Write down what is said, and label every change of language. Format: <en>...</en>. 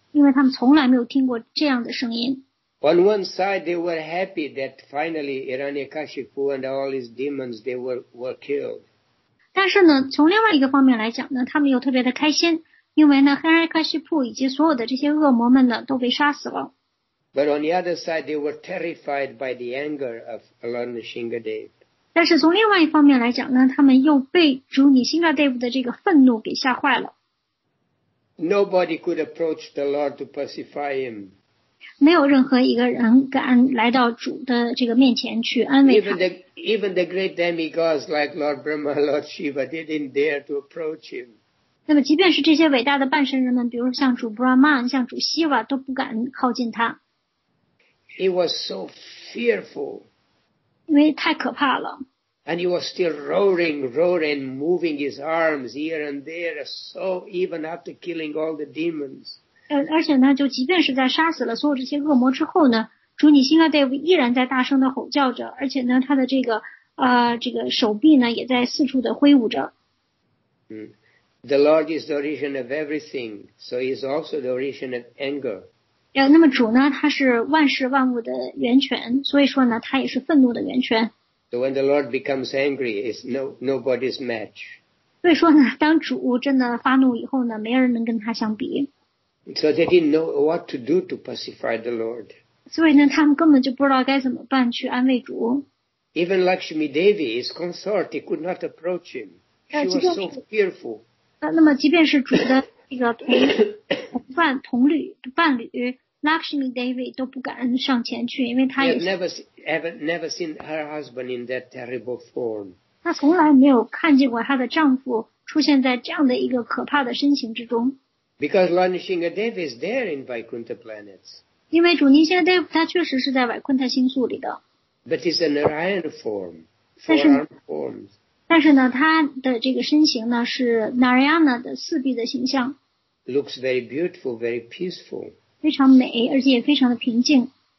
<zh>因为他们从来没有听过这样的声音。</zh> <en>On one side, they were happy that finally Hiranyakashipu and all his demons they were killed.</en> <zh>但是呢，从另外一个方面来讲呢，他们又特别的开心。因为呢 Hiranyakashipu 以及所有的这些恶魔们呢都被杀死了。</zh> <en>But on the other side, they were terrified by the anger of Lord Nrisimhadev.</en> <zh>但是从另外一方面来讲呢，他们又被主Nrisimhadev的这个愤怒给吓坏了。</zh> <en>Nobody could approach the Lord to pacify him.</en> <zh>没有任何一个人敢来到主的这个面前去安慰他。</zh> <en>Even the great demigods like Lord Brahma, Lord Shiva, they didn't dare to approach him.</en> <zh>那么即便是这些伟大的半神人们，比如像主 Brahman, 像主 Shiva, 都不敢靠近他。</zh> <en>He was so fearful.</en> <zh>因为太可怕了。</zh> <en>And he was still roaring, moving his arms here and there, so even after killing all the demons.</en> <zh>而且呢，就即便是在杀死了所有这些恶魔之后呢，主Nrisimhadev依然在大声的吼叫着，而且呢，他的这个手臂呢，也在四处的挥舞着。</zh> <en>The Lord is the origin of everything, so he is also the origin of anger.</en> <zh>那么主呢，他是万事万物的源泉，所以说呢，他也是愤怒的源泉。</zh> <en>So when the Lord becomes angry, it's nobody's match.</en> <zh>所以说呢，当主真的发怒以后呢，没人能跟他相比。</zh> <en>So they didn't know what to do to pacify the Lord.</en> <zh>所以呢，他们根本就不知道该怎么办去安慰主。</zh> <en>Even Lakshmi Devi, his consort, he could not approach him. She was so fearful.</en> <zh>那么即便是主的这个伴侣 Lakshmi Devi 都不敢上前去，因为他也</zh> <en>never seen her husband in that terrible form.</en> <zh>她从来没有看见过她的丈夫出现在这样的一个可怕的身形之中。</zh> <en>Because Lord Nrisimhadeva is there in Vaikuntha planets.</en> <zh>因为主尼辛德他确实是在维昆特星宿里的。</zh> <en>But it's a Narayana form.</en> <zh>但是呢，他的这个身形呢是 Narayana 的四臂的形象。</zh> <en>Looks very beautiful, very peaceful.</en> <zh>非常美，而且也非常的平静。</zh>